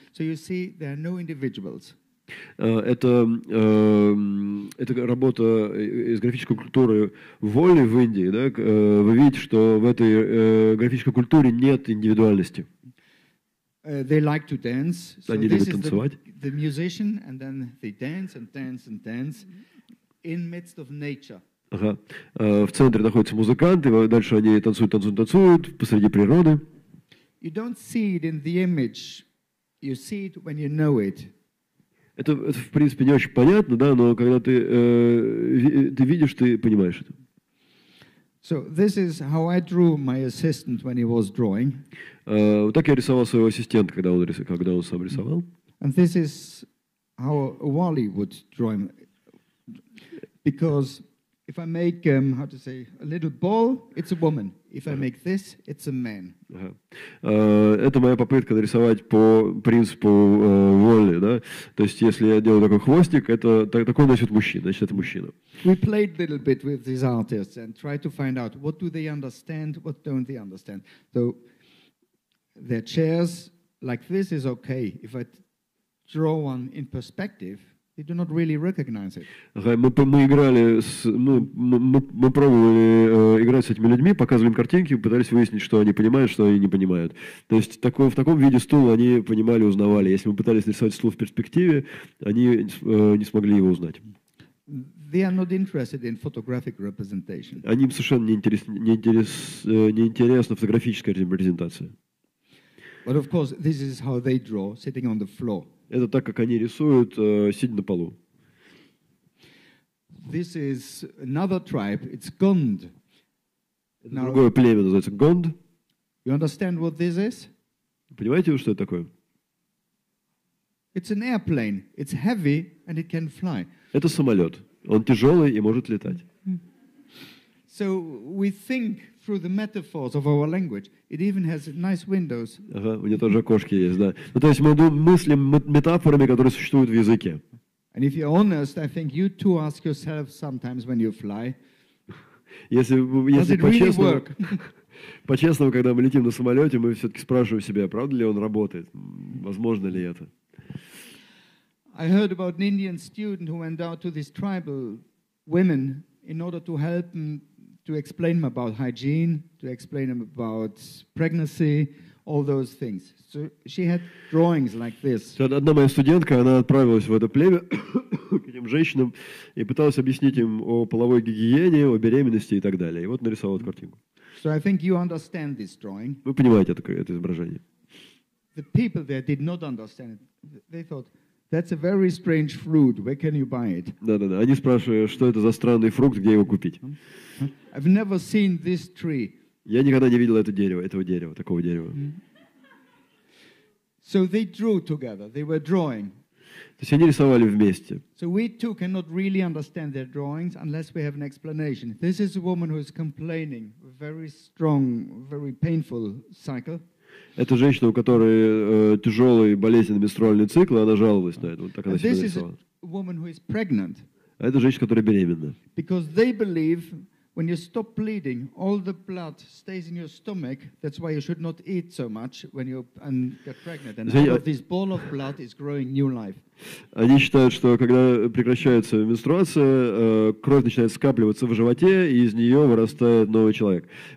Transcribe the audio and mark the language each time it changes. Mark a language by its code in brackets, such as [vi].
[en] So you see, there are no individuals. [ru] Это работа из графической культуры Воли в Индии. Да? Вы видите, что в этой графической культуре нет индивидуальности. [en] They like to dance. [ru] Они любят танцевать. [en] The musician, and then they dance and dance and dance in midst of nature. Ага. [ru] В центре находятся музыканты, дальше они танцуют, танцуют, танцуют посреди природы. [en] You don't see it in the image. You see it when you know it. [ru] Это, в принципе, не очень понятно, да, но когда ты, ты видишь, ты понимаешь это. [en] So this is how I drew my assistant when he was drawing. [ru] Вот так я рисовал своего ассистента, когда он сам рисовал. [en] And this is how Wally would draw him. Because if I make, how to say, a little ball, it's a woman. If I make this, it's a man. [ru] Это моя попытка нарисовать по принципу Воли, да? То есть, если я делаю такой хвостик, это такой носит мужчина, значит, это мужчина. [en] We played a little bit with these artists and tried to find out what do they understand, what don't they understand. So, their chairs like this is okay. If I draw one in perspective, they do not really recognize it. [ru] Мы пробовали играть с этими людьми, показывали им картинки, пытались выяснить, что они понимают, что они не понимают. То есть в таком виде стул они понимали, узнавали. Если мы пытались нарисовать стул в перспективе, они не смогли его узнать. [en] They are not interested in photographic representation. [ru] Они им совершенно не интересна фотографическая репрезентация. [en] But of course, this is how they draw, sitting on the floor. [ru] Это так, как они рисуют, сидя на полу. [en] This is another tribe. It's Gond. [ru] Другое племя называется Гонд. [en] You understand what this is? [ru] Понимаете вы, что это такое? [en] It's an airplane. It's heavy and it can fly. [ru] Это самолет. Он тяжелый и может летать. [en] So we think through the metaphors of our language. It even has nice windows. [ru] Ага, у него тоже окошки есть, да. Ну, то есть мы мыслим метафорами, которые существуют в языке. [en] And if you're honest, I think you too ask yourself sometimes when you fly. [ru] Если по-честному, когда мы летим на самолете, мы все-таки спрашиваем себя, правда ли он работает, возможно ли это. [en] I heard about an Indian student who went out to these tribal women in order to help them to explain them about hygiene, to explain them about pregnancy, all those things. So she had drawings like this. [ru] Одна моя студентка, она отправилась в это племя к этим женщинам и пыталась объяснить им о половой гигиене, о беременности и так далее. И вот нарисовала эту картинку. [en] So I think you understand this drawing. [ru] Вы понимаете это изображение. [en] The people there did not understand it. They thought, that's a very strange fruit. Where can you buy it? [ru] Да-да-да. Они спрашивают, что это за странный фрукт, где его купить? [en] I've never seen this tree. [ru] Я никогда не видел такого дерева. [en] So they drew together. They were drawing. [ru] То есть они рисовали вместе. [en] So we too cannot really understand their drawings unless we have an explanation. This is a woman who is complaining. Very strong, very painful cycle. [ru] Это женщина, у которой тяжелый болезненный менструальный цикл, и она жаловалась на это. Вот так она себя нарисовала. [en] A woman who is pregnant. [ru] А это женщина, которая беременна. [en] Because they believe when you stop bleeding, all the blood stays in your stomach. That's why you should not eat so much when you and get pregnant. And out of this ball of blood is growing new life. [ru] Они считают, что когда прекращается менструация, кровь начинает скапливаться в животе, и из нее вырастает новый человек.